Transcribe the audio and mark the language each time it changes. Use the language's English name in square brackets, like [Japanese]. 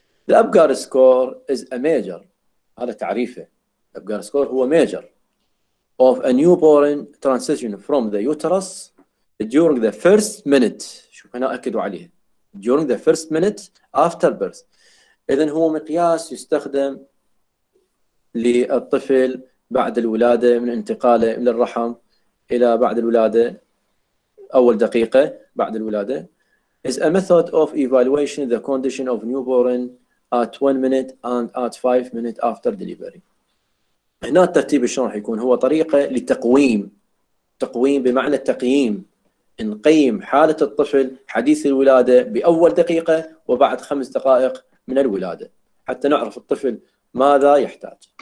[English] The Apgar score is a major، [Arabic] هذا تعريفه. [English] Apgar score هو major of a newborn transition from the uterus during the first minute. [Arabic] شوف هنا أكدوا عليه، [English] during the first minute after birth. [Arabic] إذن هو مقياس يستخدم للطفل بعد الولادة، من انتقاله من الرحم إلى بعد الولادة، أول دقيقة بعد الولادة. [English] Is a method of evaluation the condition of newborn at 1 minute and at 5 minutes after delivery. [Arabic] هنا الترتيب شلون راح يكون؟ هو طريقة لتقويم، تقويم بمعنى التقييم، نقيم حالة الطفل حديث الولادة بأول دقيقة وبعد 5 دقائق من الولادة حتى نعرف الطفل ماذا يحتاج.